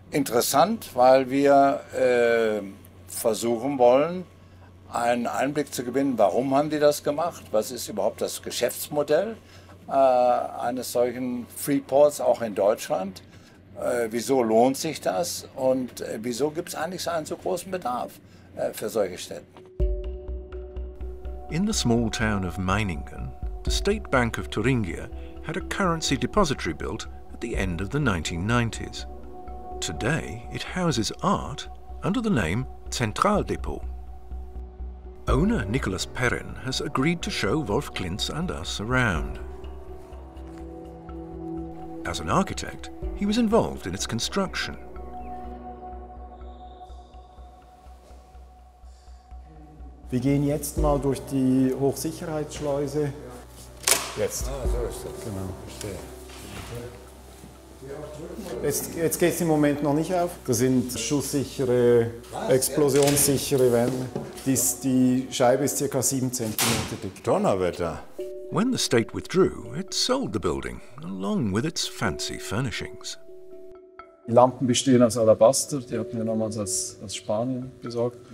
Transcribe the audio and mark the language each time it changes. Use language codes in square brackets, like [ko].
[de] Interessant, weil wir versuchen wollen, einen Einblick zu gewinnen, warum haben die das gemacht, was ist überhaupt das Geschäftsmodell eines solchen Freeports, auch in Deutschland. Wieso lohnt sich das und wieso gibt es eigentlich einen so großen Bedarf für solche Städte? [en] In the small town of Meiningen, the State Bank of Thuringia had a currency depository built at the end of the 1990s. Today it houses art under the name Zentraldepot. Owner Nicholas Perrin has agreed to show Wolf Klintz and us around. As an architect, he was involved in its construction. [de] Wir gehen jetzt mal durch die Hochsicherheitsschleuse. Jetzt. Ah, so ist das. Genau. Jetzt geht es im Moment noch nicht auf. Das sind schusssichere, explosionssichere Wände. Die Scheibe ist ca. 7 cm dick. Donnerwetter! [en] When the state withdrew, it sold the building, along with its fancy furnishings. [de] Die Lampen bestehen aus Alabaster, die hatten wir damals aus Spanien besorgt.